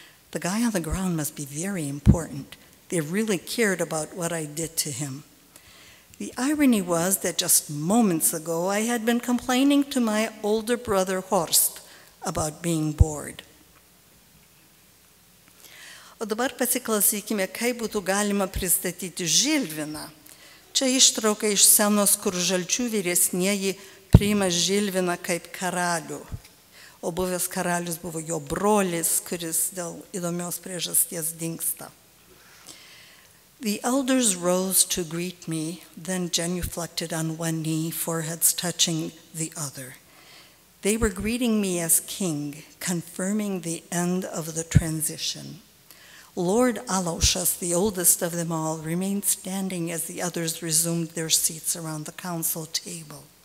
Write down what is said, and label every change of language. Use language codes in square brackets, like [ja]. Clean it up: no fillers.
[en] The guy on the ground must be very important. They really cared about what I did to him. The irony was that just moments ago, I had been complaining to my older brother, Horst, about being bored. [lt] O dabar pasiklausykime, kaip būtų galima pristatyti Žilviną. Čia ištrauka iš scenos, kur Žalčių vyresnieji priima Žilviną kaip karalių. O buvęs karalius buvo jo brolis, kuris dėl įdomios priežasties dingsta. [en] The elders rose to greet me, then genuflected on one knee, foreheads touching the other. They were greeting me as king, confirming the end of the transition. Lord Alaušas, the oldest of them all, remained standing as the others resumed their seats around the council table.